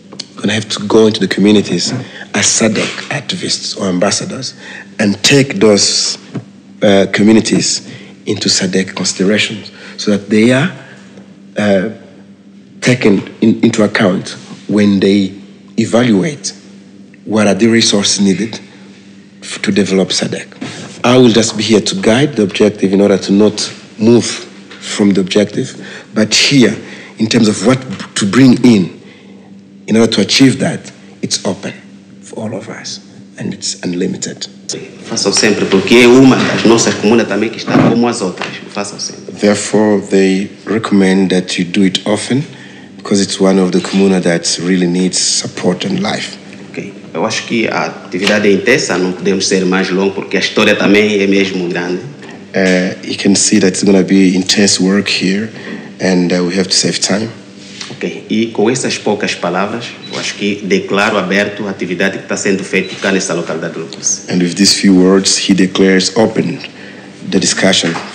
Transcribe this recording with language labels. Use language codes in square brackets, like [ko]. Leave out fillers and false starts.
[en] We're going to have to go into the communities as SADC activists or ambassadors and take those communities into SADC considerations so that they are taken into account when they evaluate what are the resources needed to develop SADC. I will just be here to guide the objective in order to not move from the objective, but here, in terms of what to bring in order to achieve that, it's open for all of us, and it's unlimited. [pt] Faça sempre, porque é uma das nossas comunas também que está como as outras. Faça sempre. [en] Therefore, they recommend that you do it often, because it's one of the comunas that really needs support and life. Okay. [pt] Eu acho que a atividade é intensa, não podemos ser mais longo, porque a história também é mesmo grande. [en] You can see that it's going to be intense work here, and we have to save time. Okay. [pt] E com essas poucas palavras, eu acho que declaro aberto a atividade que está sendo feita cá nessa localidade de Lucas. [en] And with these few words, he declares open the discussion.